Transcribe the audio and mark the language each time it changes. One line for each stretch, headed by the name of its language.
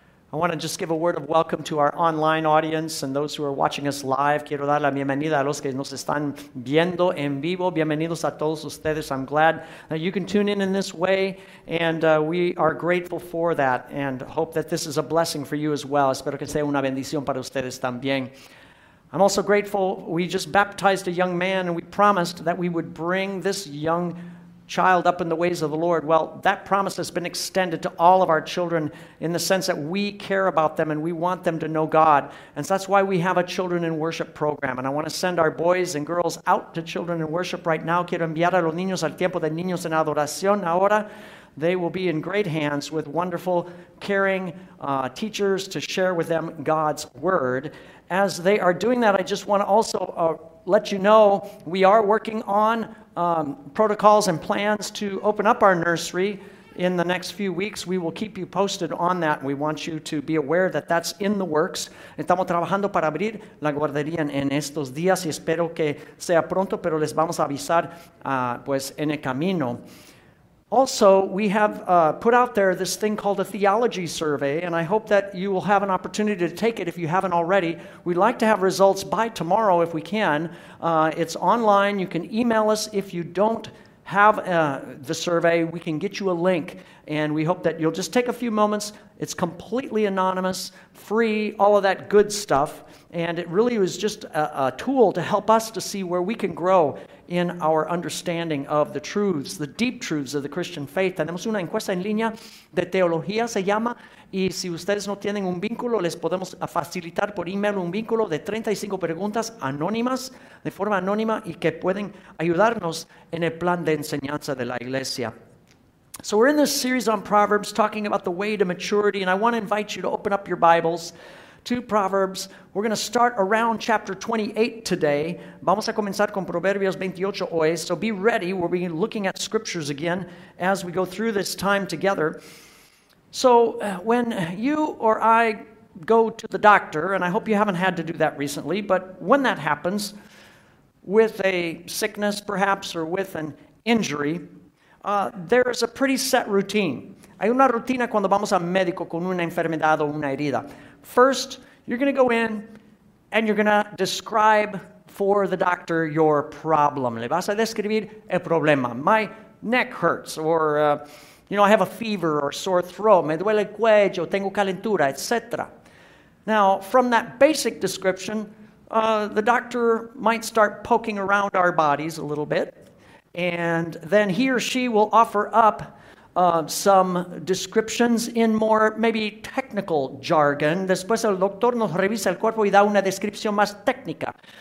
English: I want to just give a word of welcome to our online audience and those who are watching us live.
Spanish: Quiero dar la bienvenida a los que nos están viendo en vivo. Bienvenidos a todos ustedes.
English: I'm glad that you can tune in this way, and we are grateful for that and hope that this is a blessing for you as well.
Spanish: Espero que sea una bendición para ustedes también.
English: I'm also grateful we just baptized a young man and we promised that we would bring this young child up in the ways of the Lord. Well, that promise has been extended to all of our children in the sense that we care about them and we want them to know God. And so that's why we have a Children in Worship program. And I want to send our boys and girls out to Children in Worship right now.
Spanish: Quiero enviar a los niños al tiempo de niños en adoración ahora.
English: They will be in great hands with wonderful, caring teachers to share with them God's word. As they are doing that, I just want to also let you know we are working on protocols and plans to open up our nursery in the next few weeks. We will keep you posted on that. We want you to be aware that that's in the works.
Spanish: Estamos trabajando para abrir la guardería en estos días y espero que sea pronto, pero les vamos a avisar pues en el camino.
English: Also, we have put out there this thing called a theology survey, and I hope that you will have an opportunity to take it if you haven't already. We'd like to have results by tomorrow if we can. It's online. You can email us. If you don't have the survey, we can get you a link, and we hope that you'll just take a few moments. It's completely anonymous, free, all of that good stuff, and it really was just a tool to help us to see where we can grow in our understanding of the truths, the deep truths of the Christian faith.
Spanish: Tenemos una encuesta en línea de teología, se llama, y si ustedes no tienen un vínculo, les podemos facilitar por email un vínculo de 35 preguntas anónimas, de forma anónima, y que pueden ayudarnos en el plan de enseñanza de la iglesia.
English: So we're in this series on Proverbs, talking about the way to maturity, and I want to invite you to open up your Bibles to Proverbs. We're going to start around chapter 28 today.
Spanish: Vamos a comenzar con Proverbios 28 hoy.
English: So be ready. We'll be looking at scriptures again as we go through this time together. So when you or I go to the doctor, and I hope you haven't had to do that recently, but when that happens, with a sickness perhaps or with an injury, there is a pretty set routine.
Spanish: Hay una rutina cuando vamos al médico con una enfermedad o una herida.
English: First, you're going to go in and you're going to describe for the doctor your problem.
Spanish: Le vas a describir el problema.
English: My neck hurts, or you know, I have a fever or sore throat.
Spanish: Me duele el cuello, tengo calentura, etc.
English: Now, from that basic description, the doctor might start poking around our bodies a little bit, and then he or she will offer up some descriptions in more maybe technical jargon.
Spanish: Después el doctor nos revisa el cuerpo y da una descripción más técnica.